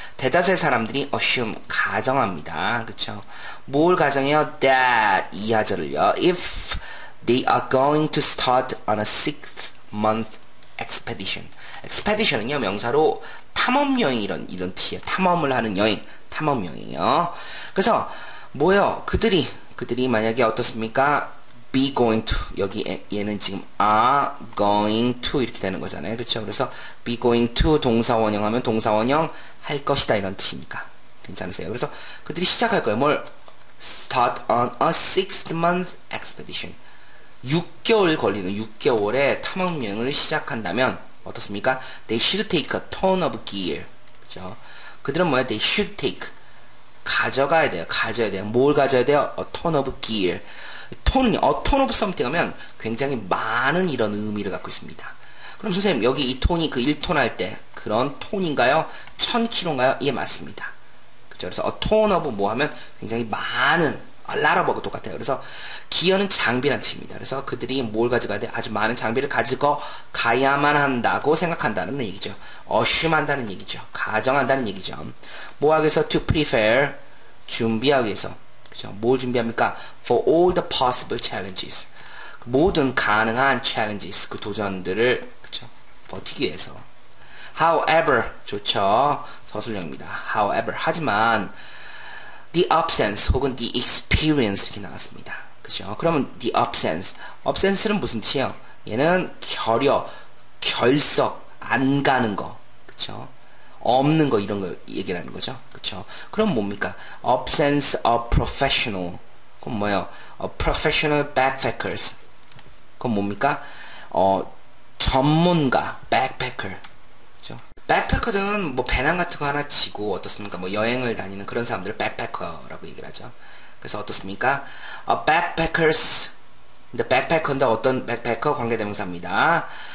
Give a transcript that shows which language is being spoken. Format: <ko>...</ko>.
<ko>대다수의 사람들이 assume, 가정합니다. 그쵸? 뭘 가정해요? That 이하절을요.</ko> <en>If they are going to start on a sixth month expedition.</en> <ko>Expedition은요, 명사로 탐험여행 이런 뜻이에요. 탐험을 하는 여행. 탐험여행이에요. 그래서, 뭐예요? 그들이 만약에 어떻습니까?</ko> <en>be going to,</en> <ko>여기 얘는 지금</ko> <en>are going to</en> <ko>이렇게 되는 거잖아요. 그렇죠? 그래서</ko> <en>be going to</en> <ko>동사원형 하면 동사원형 할 것이다 이런 뜻이니까 괜찮으세요? 그래서 그들이 시작할 거예요. 뭘?</ko> <en>start on a 6th month expedition.</en> <ko>6개월의 탐험여행을 시작한다면 어떻습니까?</ko> <en>they should take a ton of gear.</en> <ko>그렇죠? 그들은 뭐야?</ko> <en>they should take,</en> <ko>가져야 돼요. 뭘 가져야 돼요?</ko> <en>a ton of gear. A ton of something</en> <ko>하면 굉장히 많은 이런 의미를 갖고 있습니다. 그럼 선생님, 여기 이 톤이 그 1톤 할 때 그런 톤인가요? 1000kg인가요? 예, 맞습니다. 그죠? 그래서</ko> <en>a ton of</en> <ko>뭐 하면 굉장히 많은,</ko> <en>a lot of</en> <ko>하고 똑같아요. 그래서 기어는 장비란 뜻입니다. 그래서 그들이 뭘 가져가야 돼? 아주 많은 장비를 가지고 가야만 한다고 생각한다는 얘기죠. assume 한다는 얘기죠. 가정한다는 얘기죠. 뭐 하기 위해서?</ko> <en>to prepare,</en> <ko>준비하기 위해서. 뭘 준비합니까?</ko> <en>For all the possible challenges.</en> <ko>모든 가능한 challenges, 그 도전들을, 그쵸? 버티기 위해서. However, 좋죠? 서술형입니다.</ko> <en>However,</en> <ko>하지만</ko> <en>the absence</en> <ko>혹은</ko> <en>the experience</en> <ko>이렇게 나왔습니다. 그쵸? 그러면</ko> <en>the absence.</en> <ko>absence는 무슨 뜻이에요? 얘는 결여, 결석, 안 가는 거. 그쵸? 없는 거, 이런 거 얘기하는 거죠. 그렇죠? 그럼 뭡니까?</ko> <en>Absence of professional.</en> <ko>그건 뭐예요?</ko> <en>A professional backpackers.</en> <ko>그건 뭡니까? 전문가 backpacker. 그렇죠? Backpacker는 뭐 배낭 같은 거 하나 지고 어떻습니까? 뭐 여행을 다니는 그런 사람들을 backpacker라고 얘기를 하죠. 그래서 어떻습니까?</ko> <en>A backpackers.</en> <ko>근데 backpacker인데 어떤 backpacker 관계대명사입니다.</ko>